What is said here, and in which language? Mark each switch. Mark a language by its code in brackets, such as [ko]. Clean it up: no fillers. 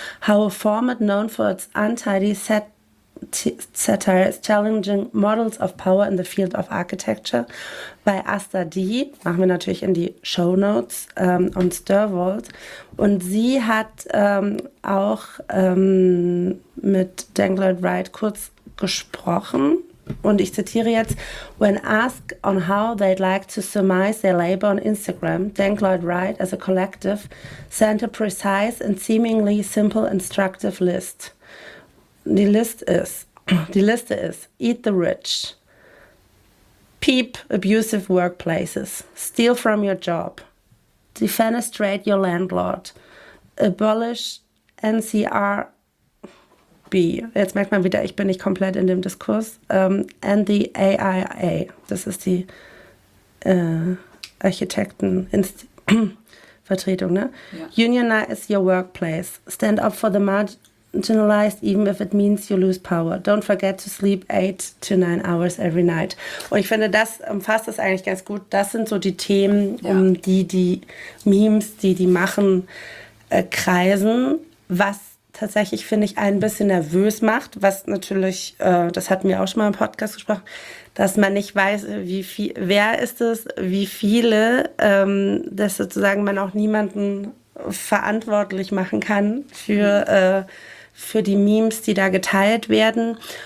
[en] How a format known for its untidy satire is challenging models of power in the field of architecture [de] bei Asta D, machen wir natürlich in die Shownotes, und Sturwald. Und sie hat auch mit Denk Lloyd Wright kurz gesprochen. Und ich zitiere jetzt, [en] when asked on how they'd like to surmise their labor on Instagram, Dank Lloyd Wright as a collective sent a precise and seemingly simple instructive list. [de] Die Liste ist, [en] eat the rich, peep abusive workplaces, steal from your job, defenestrate your landlord, abolish NCRB, [de] jetzt merkt man wieder, ich bin nicht komplett in dem Diskurs, [en] and the AIA, [de] das ist die Architektenvertretung, ne? Ja. [en] Unionize your workplace, stand up for the marginalized, even if it means you lose power. Don't forget to sleep 8 to 9 hours every night. [de] Und ich finde, das umfasst das eigentlich ganz gut. Das sind so die Themen, ja, um die die Memes, die die machen, kreisen, was tatsächlich, finde ich, ein bisschen nervös macht, was natürlich, das hatten wir auch schon mal im Podcast gesprochen, dass man nicht weiß, wie viel, wer ist es, wie viele, dass sozusagen man auch niemanden verantwortlich machen kann für die Memes, die da geteilt werden.